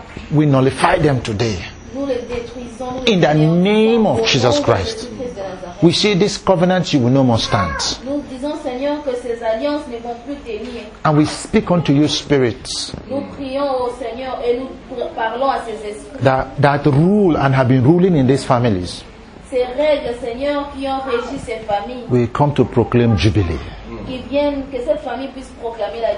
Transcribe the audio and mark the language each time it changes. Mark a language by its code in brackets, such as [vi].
[en] We nullify them today in the name of Jesus Christ. We say this covenant you will no more stand. [fr] Nous disons, Seigneur, que ces alliances ne vont plus tenir. [en] And we speak unto you, spirits. [fr] Nous prions au Seigneur et nous parlons à ces esprits. [en] That rule and have been ruling in these families. [fr] Ces règles, Seigneur, qui ont régi ces familles. [en] We come to proclaim jubilee. [fr] Qui viennent, que cette famille puisse proclamer la